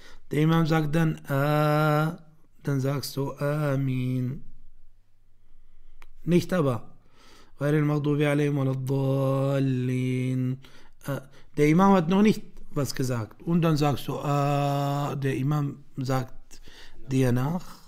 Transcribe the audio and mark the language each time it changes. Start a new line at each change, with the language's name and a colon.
German: Der Imam sagt dann, dann sagst du, Amin. nicht aber.
Arabic: غير المغضوب عليهم ولا الضالين.
German: Der Imam hat noch nicht was gesagt. Und dann sagst du, der Imam sagt dir nach.